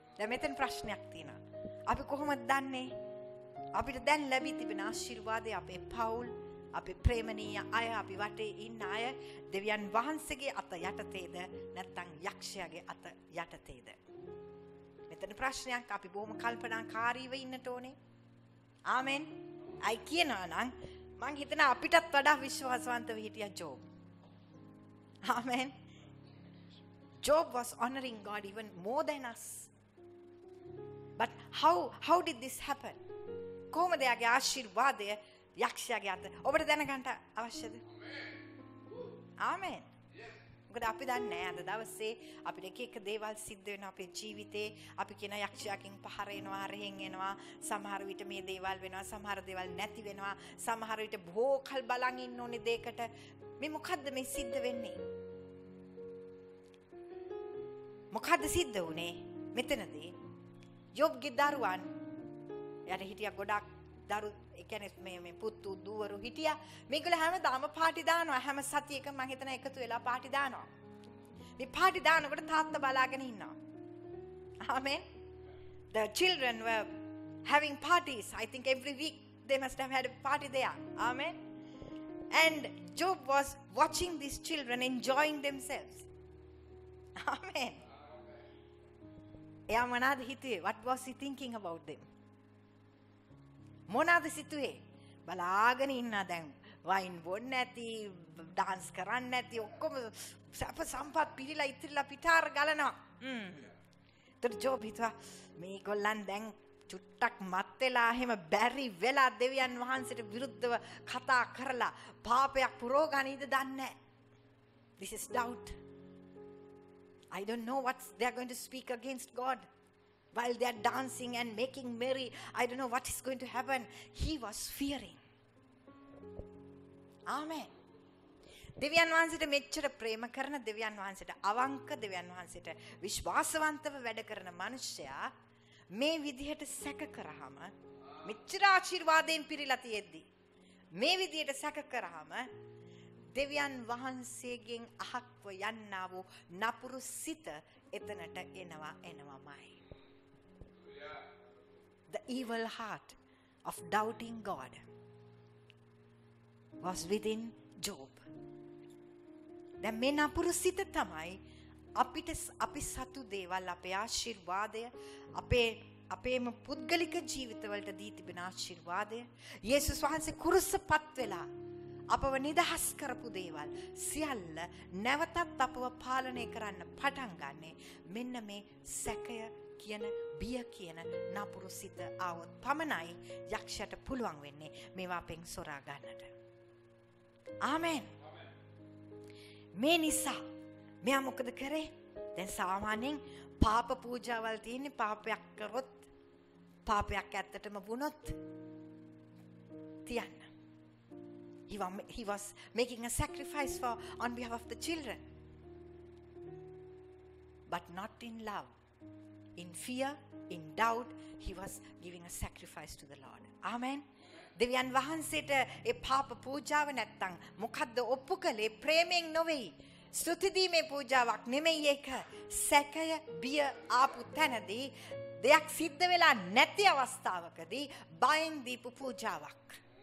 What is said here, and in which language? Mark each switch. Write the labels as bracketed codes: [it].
[si] දැන් මෙතන ප්‍රශ්නයක් තියෙනවා. අපි කොහොමද දන්නේ අපිට දැන් ලැබී තිබෙන ආශිර්වාදේ අපේ පවුල් අපේ ප්‍රේමණීය අය අපි වටේ ඉන්න අය දෙවියන් වහන්සේගේ අත යටතේද නැත්නම් යක්ෂයාගේ අත යටතේද? මෙතන ප්‍රශ්නයක්. අපි බොහොම කල්පනාකාරීව ඉන්නට ඕනේ. ආමෙන්. අයි කියනවා නම් මං හිතන අපිටත් වඩා විශ්වාසවන්තව හිටියා job. Amen. [en] Job was honoring God even more than us. But how did this happen? [si] කොහොමද යාගේ ආශිර්වාදය යක්ෂයාගේ අත? ඔබට දැනගන්න අවශ්‍යද? ආමෙන්. මොකද අපි දන්නේ අද දවසේ අපිට එක එක දේවල් සිද්ධ වෙන අපේ ජීවිතේ. අපි කියන යක්ෂයාකින් පහර එනවා, රෙහෙන් එනවා, සමහර විට මේ දේවල් වෙනවා, සමහර දේවල් නැති වෙනවා, සමහර විට භෝකල් බලන් ඉන්න ඕනේ දෙයකට. මේ මොකද්ද මේ සිද්ධ වෙන්නේ? මොකද්ද සිද්ධ වුනේ මෙතනදී? යොබ්ගේ දරුවන් යට හිටියා ගොඩක් දරු, ඒ කියන්නේ මේ පුතු දුවරු හිටියා. මේගොල්ලෝ හැමදාම පාටි දානවා, හැම සතියකම මම හිතන එකතු වෙලා පාටි දානවා. මේ පාටි දානකොට තාත්තා බලාගෙන ඉන්නවා. ආමෙන්. [en] The children were having parties. I think every week they must have had a party there. Amen. And Job was watching these children enjoying themselves. Amen. [si] එයා මොනවද හිතුවේ? [en] What was he thinking about them? [si] මොනවද සිතුවේ? බලාගෙන ඉන්න දැන් වයින් බොන්න ඇති, dance කරන්න ඇති, ඔක්කොම සැප සම්පත් පිළිලා ඉතිරිලා පිටාර ගලනවා. එතකොට ජෝබ් හිතුවා මේ ගොල්ලන් දැන් චුට්ටක් මත් වෙලා එහෙම බැරි වෙලා දෙවියන් වහන්සේට විරුද්ධව කතා කරලා පාපයක් පුරෝගනීද දන්නේ. [en] This is doubt. I don't know what they are going to speak against God while they are dancing and making merry. I don't know what is going to happen. He was fearing. Amen. [si] දෙවියන් වහන්සේට මෙච්චර ප්‍රේම කරන, දෙවියන් වහන්සේට අවංක, දෙවියන් වහන්සේට විශ්වාසවන්තව වැඩ කරන මිනිසයා මේ විදිහට සැක කරාම, මෙච්චර ආශිර්වාදයෙන් පිරීලා තියෙද්දි මේ විදිහට සැක කරාම දෙවියන් වහන්සේගෙන් අහක්ව යන්නා වූ නපුරු සිත එතනට එනවා එනවාමයි. [en] The evil heart of doubting God was within Job. [si] දැන් මේ නපුරු සිත තමයි අපිට අපි සතු දේවල් අපේ ආශිර්වාදය අපේම පුද්ගලික ජීවිතවලට දී තිබෙන ආශිර්වාදය යේසුස් වහන්සේ කුරුසපත් වෙලා අපව නිදහස් කරපු දේවල් සියල්ල නැවතත් අපව පාලනය කරන්න පටන් ගන්නෙ මෙන්න මේ සැකය කියන, බිය කියන නපුරු සිත ආවොත් පමණයි යක්ෂයට පුළුවන් වෙන්නේ මේවා පෙන් සොරා ගන්නට. ආමෙන්. මේ නිසා මෙයා මොකද කරේ? දැන් සාමාන්‍යයෙන් පාප පූජාවල් තියෙන්නේ, පාපයක් කරොත්, පාපයක් ඇත්තටම වුණොත් තියන්න. [en] He was making a sacrifice for on behalf of the children, but not in love, in fear, in doubt, he was giving a sacrifice to the Lord. Amen. [si] දෙවියන් වහන්සේට ඒ පාප පූජාව නැත්තම් මොකද්ද ඔප්පු කළේ? ප්‍රේමයෙන් නොවේ, ස්තුතිදීමේ පූජාවක් නෙමෙයි ඒක. සැකය, බිය ආපු තැනදී, දෙයක් සිද්ධ වෙලා නැති අවස්ථාවකදී බයෙන් දීපු පූජාවක්.